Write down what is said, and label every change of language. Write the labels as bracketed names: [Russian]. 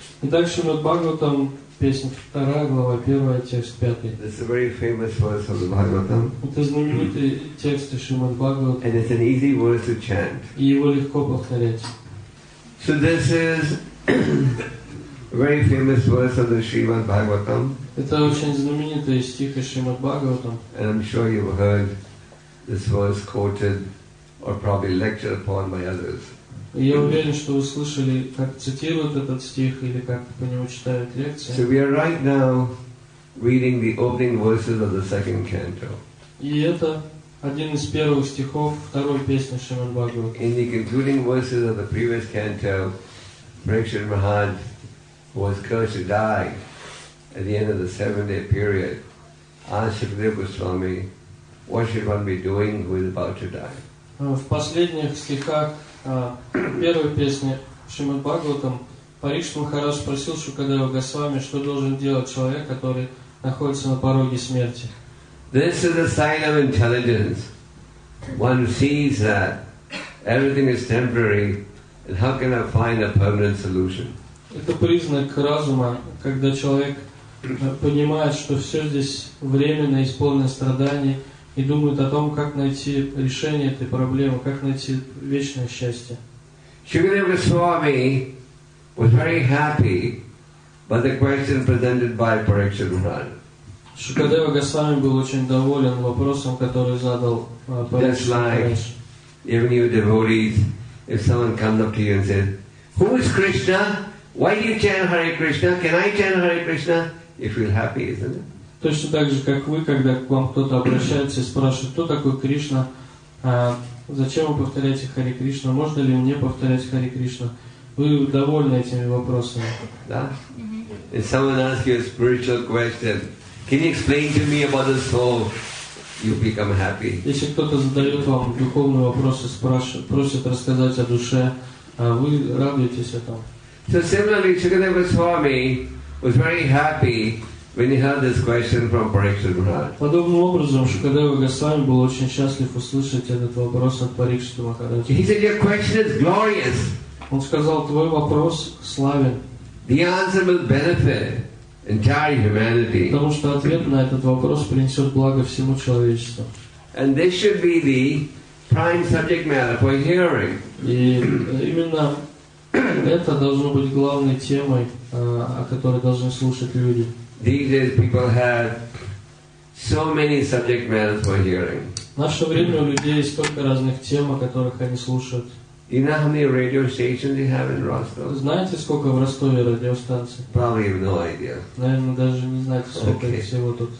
[Russian] И дальше вот Бхагаватам песня 2 глава 1 текст 5. [English] This is a very famous verse of the Bhagavatam. [Russian] Это знаменитый текст из Шримад Бхагаватам. [English] And it's an easy verse to chant. [Russian] И его легко повторять. [English] So this is a very famous verse of the Shrimad Bhagavatam. [Russian] Это очень знаменитый стих из Шримад Бхагаватам. [English] And I'm sure you've heard this verse quoted or probably lectured upon by others. [Russian] Я уверен, что вы слышали, как цитируют этот стих или как по нему читают лекции. [English] So we are right now reading the opening verses of the second canto. [Russian] И это один из первых стихов второй песни Шримад Бхагаватам. [English] In the concluding verses of the previous canto, Parikshit Maharaj was cursed to die. At the end of the seven-day period, asked Shukadeva Goswami, what should one be doing who is about to die? [Russian] В последних стихах первой песни Шримад Бхагаватам Парикшит Махарадж спросил Шукадева Госвами, что должен делать человек, который находится на пороге смерти. [English] This is a sign of intelligence. One sees that everything is temporary, and how can I find a permanent solution? [Russian] Это признак разума, когда человек понимает, что все здесь временно, исполнено страданий, и думает о том, как найти решение этой проблемы, как найти вечное счастье. [English] Shukadeva Goswami was very happy by the question presented by Parikshit Maharaj. [Russian] Shukadeva Goswami был очень доволен вопросом, который задал Parikshit Maharaj. [English] Even you devotees, if someone comes up to you and says, "Who is Krishna? Why do you chant Hare Krishna? Can I chant Hare Krishna?" You feel happy, isn't it? [Russian] Точно так же, как вы, когда к вам кто-то обращается и спрашивает, кто такой Кришна, зачем вы повторяете Хари Кришна, можно ли мне повторять Хари Кришна? Вы довольны этими вопросами? Да. [English] If someone asks you a spiritual question, can you explain to me about the soul? You become happy. [Russian] Если кто-то задает вам духовный вопрос и спрашивает, просит рассказать о душе, вы радуетесь этому. [English] So similarly, Shukadeva Goswami was very happy when he heard this question from Parikshit Maharaj. [Russian] Подобным образом, Шукадева Госвами был очень счастлив услышать этот вопрос от Парикшита Махараджа. [English] He said, "Your question is glorious." [Russian] Он сказал, твой вопрос славен. [English] The answer will benefit entire humanity. [Russian] Потому что ответ на этот вопрос принесет благо всему человечеству. [English] And this should be the prime subject matter for hearing. [Russian] И именно это должно быть главной темой, о которой должны слушать люди. [English] These days people have so many subject matters for hearing. [Russian] В наше время у людей столько разных тем, о которых они слушают. [English] You know how many radio stations they have in Rostov? [Russian] Знаете, сколько в Ростове радиостанций? Probably have no idea. Наверное, даже не знаете, сколько их всего тут.